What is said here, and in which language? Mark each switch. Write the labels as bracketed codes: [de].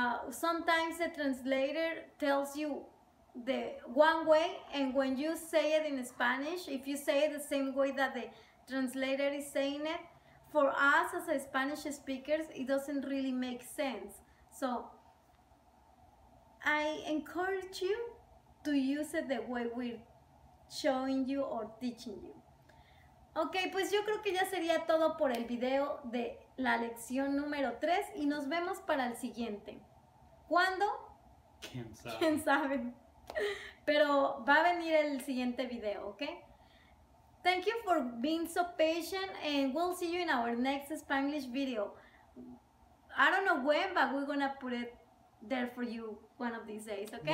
[en] Sometimes the translator tells you the one way, and when you say it in Spanish, if you say it the same way that the translator is saying it, for us as Spanish speakers, it doesn't really make sense. So I encourage you to use it the way we're showing you or teaching you. [es] Ok, pues yo creo que ya sería todo por el video de la lección número 3 y nos vemos para el siguiente. ¿Cuándo? ¿Quién sabe? ¿Quién sabe? Pero va a venir el siguiente video, ¿ok? [en] Thank you for being so patient and we'll see you in our next Spanglish video. I don't know when, but we're gonna put it there for you one of these days, ¿ok?